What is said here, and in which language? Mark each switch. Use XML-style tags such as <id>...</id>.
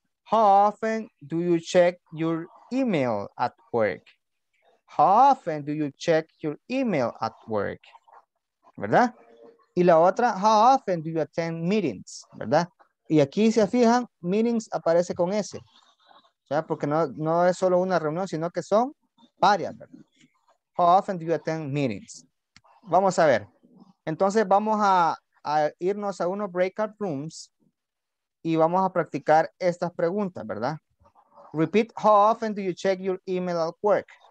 <en>How often do you check your email at work? How often do you check your email at work?</en> <es>¿Verdad? Y la otra,</es> <en>how often do you attend meetings?</en> <es>¿Verdad? Y aquí se fijan, meetings aparece con S. ¿Ya? Porque no es solo una reunión, sino que son varias, ¿verdad?</es> <en>How often do you attend meetings?</en> <es>Vamos a ver. Entonces vamos a irnos a unos breakout rooms y vamos a practicar estas preguntas, ¿verdad?</es> <en>Repeat, how often do you check your email at work?</en>